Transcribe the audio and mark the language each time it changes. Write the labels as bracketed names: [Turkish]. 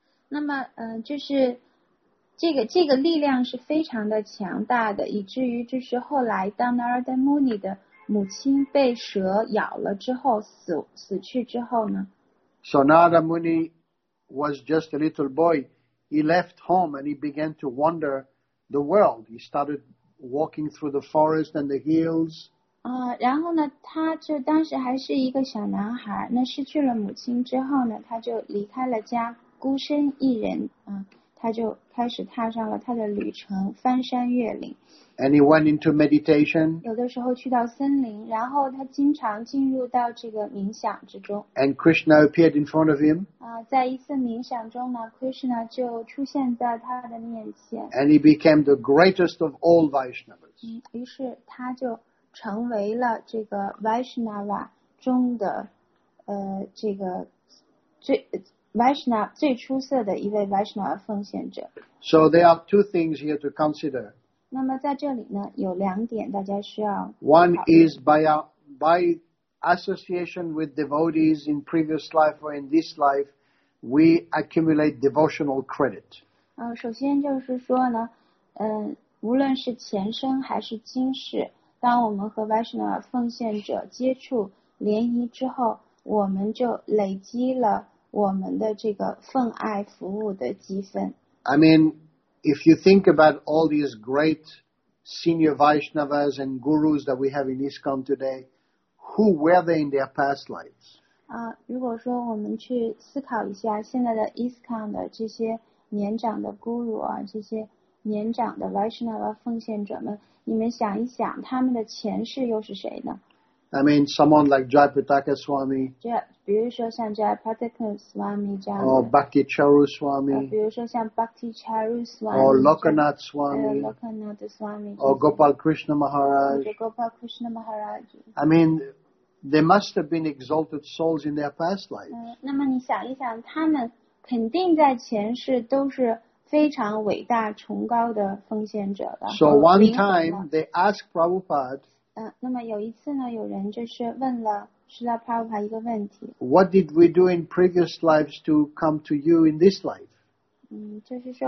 [Chinese] 那么就是。这个力量是非常的强大的，以至于就是后来当 Narada Muni 的母亲被蛇咬了之后死去之后呢。 [English] So Narada Muni was just a little boy. He left home and he began to wander the world. He started walking through the forest and the hills. [Chinese] 然后呢，他就当时还是一个小男孩，那失去了母亲之后呢，他就离开了家，孤身一人。他就开始踏上了他的旅程，翻山越岭。 [English] And he went into meditation. [Chinese] 有的时候去到森林，然后他经常进入到这个冥想之中。 [English] And Krishna appeared in front of him. [Chinese] 在一次冥想中呢 ，Krishna 就出现在他的面前。 [English] And he became the greatest of all Vaishnavas. [Chinese] 于是他就成为了这个 Vaishnava 中的这个最。 Vaishnava 最出色的一位 Vaishnava 奉献者。 [English] So there are two things here to consider. [Chinese] 那么在这里呢，有两点大家需要。 [English] One is by association with devotees in previous life or in this life, we accumulate devotional credit. [Chinese] 首先就是说呢，无论是前生还是今世，当我们和 Vaishnava 奉献者接触联谊之后，我们就累积了。我们的这个奉爱服务的积分。 [English] I mean, if you think about all these great senior Vaishnavas and gurus that we have in ISKCON today, who were they in their past lives? [Chinese] 如果说我们去思考一下现在的 ISKCON 的这些年长的 guru 啊，这些年长的 Vaishnava 奉献者们，你们想一想，他们的前世又是谁呢？ [English] I mean, someone like Jayapataka Swami. [Chinese] Yeah, 比如说像 Jayapataka Swami 这样的, [English] or Bhakti Charu Swami. [Chinese] 比如说像 Bhakti Charu Swami. [English] Or Lokanath Swami. [Chinese] Lokanath Swami. [English] Or Gopal Krishna Maharaj. [Chinese] Gopal Krishna Maharaj. [English] I mean, they must have been exalted souls in their past lives. [Chinese] 那么你想一想, 他们肯定在前世都是非常伟大崇高的奉献者的。 [English] So one time they asked Prabhupada. [Chinese] 那么有一次呢，有人就是问了释迦牟尼佛一个问题。 [English] What did we do in previous lives to come to you in this life?